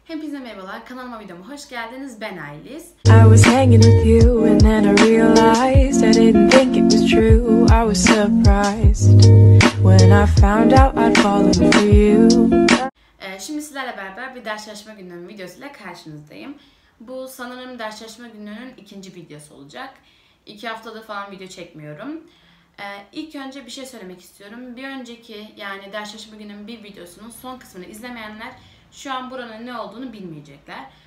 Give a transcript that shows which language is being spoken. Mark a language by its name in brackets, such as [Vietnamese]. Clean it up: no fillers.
[Turkish] Hepinize merhabalar, kanalıma videoma hoş geldiniz. Ben Aylis. [English] I was hanging with you and then I realized I didn't think it was true. I was surprised when I found out I'd fallen for you. [Turkish] Şimdi sizlerle beraber bir ders çalışma günlüğüm videosuyla karşınızdayım. Bu sanırım ders çalışma günlüğünün ikinci videosu olacak. İki haftada falan video çekmiyorum. İlk önce bir şey söylemek istiyorum. Bir önceki yani ders çalışma günlüğünün bir videosunun son kısmını izlemeyenler şu an buranın ne olduğunu bilmeyecekler.